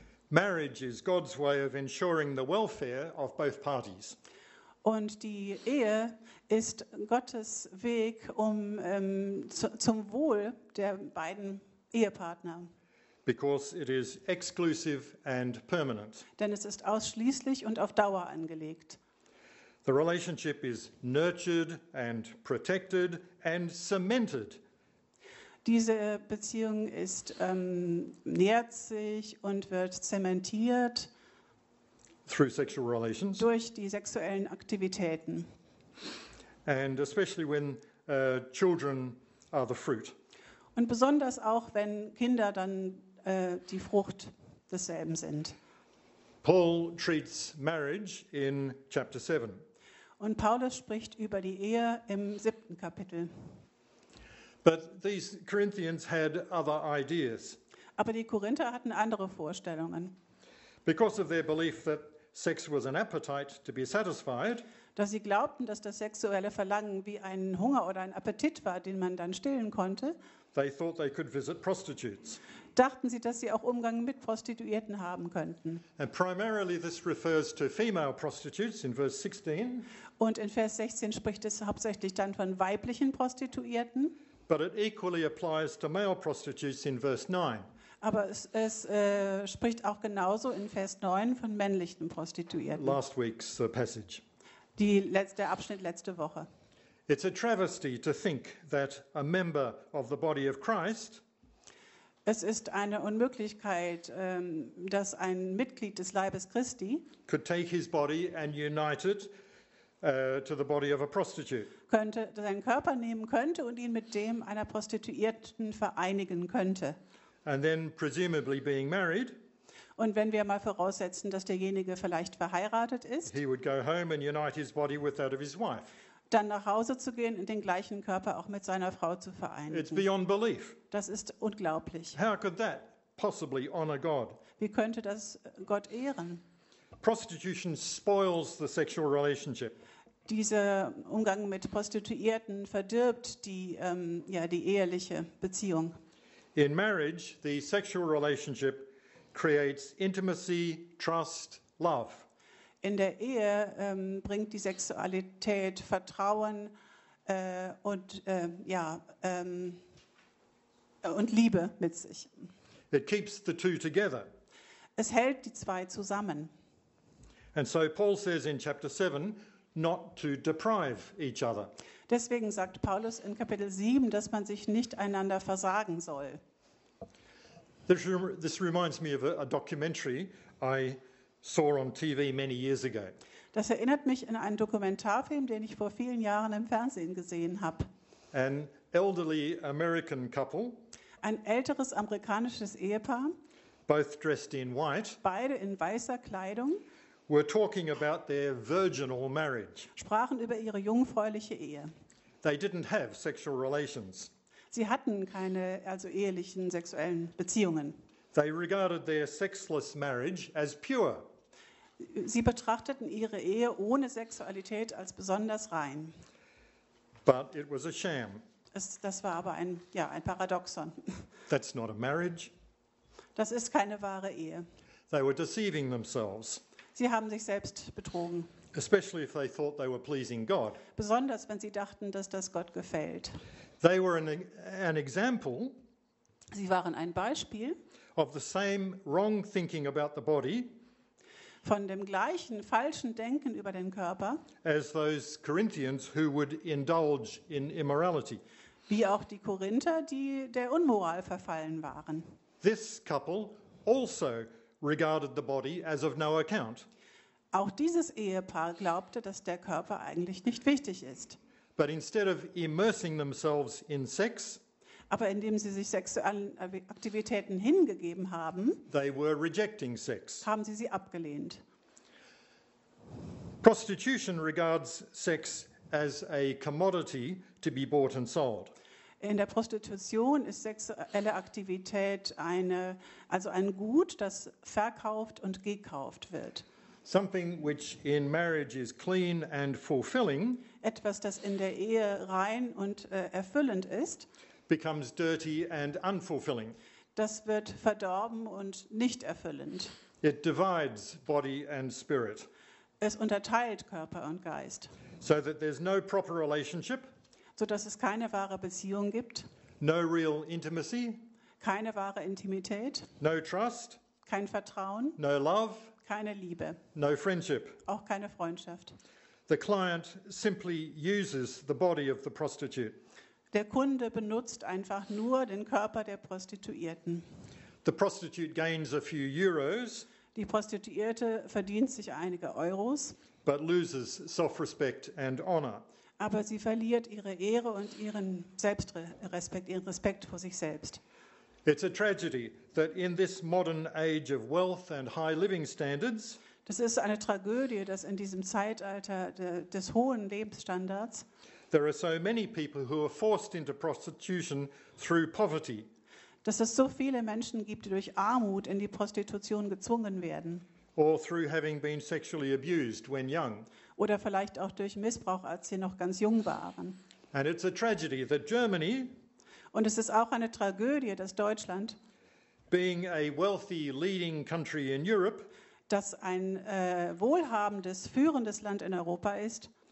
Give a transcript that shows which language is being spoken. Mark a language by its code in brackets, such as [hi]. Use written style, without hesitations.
[en] Marriage is God's way of ensuring the welfare of both parties. [de] Und die Ehe ist Gottes Weg zum Wohl der beiden Ehepartner. [en] Because it is exclusive and permanent. [de] Denn es ist ausschließlich und auf Dauer angelegt. [en] The relationship is nurtured and protected and cemented. [de] diese Beziehung ist, nährt sich und wird zementiert [en] through sexual relations. [de] Durch die sexuellen Aktivitäten. [en] And especially when children are the fruit. [de] Und besonders auch, wenn Kinder dann die Frucht desselben sind. [en] Paul treats marriage in chapter 7. [de] Und Paulus spricht über die Ehe im 7. Kapitel. [en] But these Corinthians had other ideas. [de] Aber die Korinther hatten andere Vorstellungen. [en] Because of their belief that sex was an appetite to be satisfied. [de] Dass sie glaubten, dass das sexuelle Verlangen wie ein Hunger oder ein Appetit war, den man dann stillen konnte. [en] They thought they could visit prostitutes. [de] Dachten sie, dass sie auch Umgang mit Prostituierten haben könnten. [en] And primarily this refers to female prostitutes in verse 16. [de] Und in Vers 16 spricht es hauptsächlich dann von weiblichen Prostituierten. [en] But it equally applies to male prostitutes in verse 9. [de] Aber es spricht auch genauso in Vers 9 von männlichen Prostituierten. [en] Last week's passage. [de] Der Abschnitt letzte Woche. [en] It's a travesty to think that a member of the body of Christ. [de] Es ist eine Unmöglichkeit, dass ein Mitglied des Leibes Christi [en] could take his body and unite it to the body of a prostitute. [de] Könnte seinen Körper nehmen könnte und ihn mit dem einer Prostituierten vereinigen könnte. [en] And then presumably being married. [de] Und wenn wir mal voraussetzen, dass derjenige vielleicht verheiratet ist, [en] he would go home and unite his body with that of his wife. [de] Dann nach Hause zu gehen und den gleichen Körper auch mit seiner Frau zu vereinigen. [en] It's beyond belief. [de] Das ist unglaublich. [en] How could that possibly honor God? [de] Wie könnte das Gott ehren? [en] Prostitution spoils the sexual relationship. [de] Dieser Umgang mit Prostituierten verdirbt die eheliche Beziehung. [en] In marriage, the sexual relationship creates intimacy, trust, love. [de] In der Ehe bringt die Sexualität Vertrauen und Liebe mit sich. [en] It keeps the two together. [de] Es hält die zwei zusammen. [en] And so Paul says in chapter 7, not to deprive each other. [de] Deswegen sagt Paulus in Kapitel 7, dass man sich nicht einander versagen soll. [en] This reminds me of a documentary I saw on TV many years ago. [de] Das erinnert mich an einen Dokumentarfilm, den ich vor vielen Jahren im Fernsehen gesehen habe. [en] An elderly American couple. [de] Ein älteres amerikanisches Ehepaar. [en] Both dressed in white. [de] Beide in weißer Kleidung. [en] Were talking about their virginal marriage. [de] Sprachen über ihre jungfräuliche Ehe. [en] They didn't have sexual relations. [de] Sie hatten keine ehelichen sexuellen Beziehungen. [en] They regarded their sexless marriage as pure. [de] Sie betrachteten ihre Ehe ohne Sexualität als besonders rein. [en] But it was a sham. [de] Das war aber ein Paradoxon. [en] That's not a marriage. [de] Das ist keine wahre Ehe. [en] They were deceiving themselves. [de] Sie haben sich selbst betrogen. [en] Especially if they thought they were pleasing God. [de] Besonders wenn sie dachten, dass das Gott gefällt. [en] They were an example. [de] Sie waren ein Beispiel. [en] Of the same wrong thinking about the body. [de] Von dem gleichen falschen Denken über den Körper. [en] As those Corinthians who would indulge in immorality. [de] Wie auch die Korinther, die der Unmoral verfallen waren. [en] This couple also regarded the body as of no account. [de] Auch dieses Ehepaar glaubte, dass der Körper eigentlich nicht wichtig ist. [en] But instead of immersing themselves in sex, [de] aber indem sie sich sexuellen Aktivitäten hingegeben haben, [en] they were rejecting sex. [de] Haben sie abgelehnt. [en] Prostitution regards sex as a commodity to be bought and sold. [de] In der Prostitution ist sexuelle Aktivität ein Gut, das verkauft und gekauft wird. [en] Something which in marriage is clean and fulfilling, [de] etwas, das in der Ehe rein und erfüllend ist, [en] becomes dirty and unfulfilling. [de] Das wird verdorben und nicht erfüllend. [en] It divides body and spirit. [de] Es unterteilt Körper und Geist. [en] So that there's no proper relationship. [de] So dass es keine wahre Beziehung gibt. [en] No real intimacy. [de] Keine wahre Intimität. [en] No trust. [de] Kein Vertrauen. [en] No love. [de] Keine Liebe. [en] No friendship. [de] Auch keine Freundschaft. [en] The client simply uses the body of the prostitute. [de] Der Kunde benutzt einfach nur den Körper der Prostituierten. [en] The prostitute gains a few euros. [de] Die Prostituierte verdient sich einige Euros. [en] But loses self-respect and honor. [de] Aber sie verliert ihre Ehre und ihren Selbstrespekt, ihren Respekt vor sich selbst. [en] It's a tragedy that in this modern age of wealth and high living standards. [de] Das ist eine Tragödie, dass in diesem Zeitalter des hohen Lebensstandards. [en] There are so many people who are forced into prostitution through poverty. [de] Dass es so viele Menschen gibt, die durch Armut in die Prostitution gezwungen werden. [en] Or through having been sexually abused when young. [de] Oder vielleicht auch durch Missbrauch, als sie noch ganz jung waren. [en] And it's a tragedy that Germany. [de] Und es ist auch eine Tragödie, dass Deutschland, [en] being a wealthy leading country in Europe, [de] das ein wohlhabendes, führendes Land in Europa ist,